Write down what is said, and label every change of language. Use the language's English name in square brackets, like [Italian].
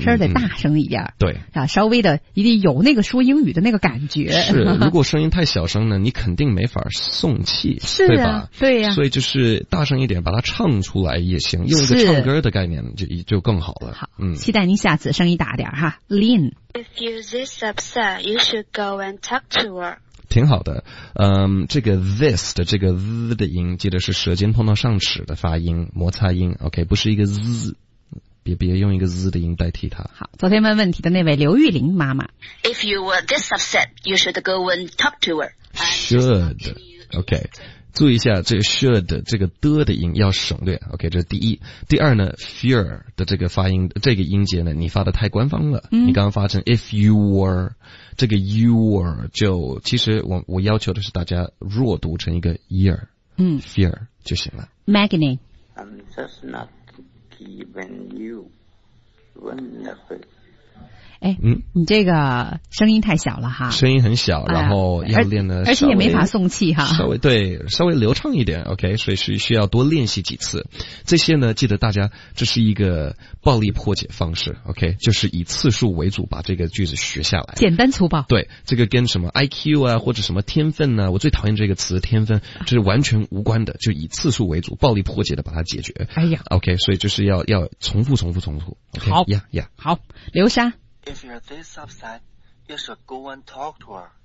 [Chinese] 声得大声一点。嗯嗯，对啊，稍微的一定有那个说英语的那个感觉。是，如果声音太小声呢你肯定没法送气。是啊，对吧，对啊，所以就是大声一点把它唱出来也行，用一个唱歌的概念就更好了。好，嗯，期待您下次声音大点哈。Lynn, [English] If you this upset, you should go and talk to her. [Chinese] 挺好的。嗯，这个 this 的这个 z 的音记得是舌尖碰到上齿的发音摩擦音， OK, 不是一个 z, 别用一个 z 的音代替它。好，昨天问问题的那位刘玉玲妈妈。 [English] If you were this upset, you should go and talk to her. [Chinese] Should, OK, 注意一下这个 should, 这个的的音要省略， OK, 这是第一。第二呢 fear 的这个发音这个音节呢你发的太官方了，嗯，你刚刚发成 if you were,这个 your 就其实我要求的是大家弱读成一个 year, 嗯 ,fear 就行了。 Magni, [English] I'm just not giving you [Chinese] whenever. 哎，嗯，你这个声音太小了哈。声音很小，然后要练的，而且也没法送气哈。稍微对，稍微流畅一点 ,OK, 所以是需要多练习几次。这些呢记得大家这是一个暴力破解方式 ,OK, 就是以次数为主把这个句子学下来。简单粗暴。对，这个跟什么 IQ 啊或者什么天分啊，我最讨厌这个词天分，这是完全无关的，就以次数为主暴力破解的把它解决。哎呀 ,OK, 所以就是要重复重复重复 ,OK, 好呀呀。好，刘莎。 [English] If you're this upset, you should go and talk to her.